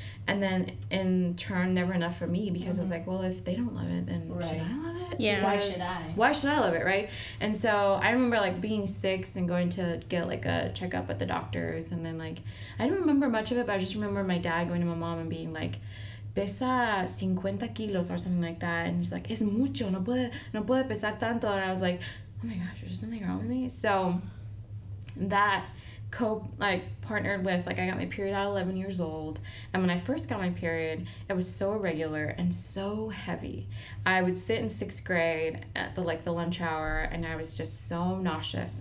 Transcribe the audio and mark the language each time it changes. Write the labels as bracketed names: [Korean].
[English] And then, in turn, never enough for me because mm-hmm, I was like, well, if they don't love it, then right, should I love it? Yeah. Why should I love it, right? And so I remember, like, being 6 and going to get, like, a checkup at the doctor's. And then, like, I don't remember much of it, but I just remember my dad going to my mom and being like, [Spanish] pesa 50 kilos [English] or something like that. And she's like, [Spanish] es mucho, no puede pesar tanto. [English] And I was like, oh, my gosh, is there something wrong with me? So that partnered with, like, I got my period at 11 years old, and when I first got my period, it was so irregular and so heavy. I would sit in 6th grade at the lunch hour, and I was just so nauseous.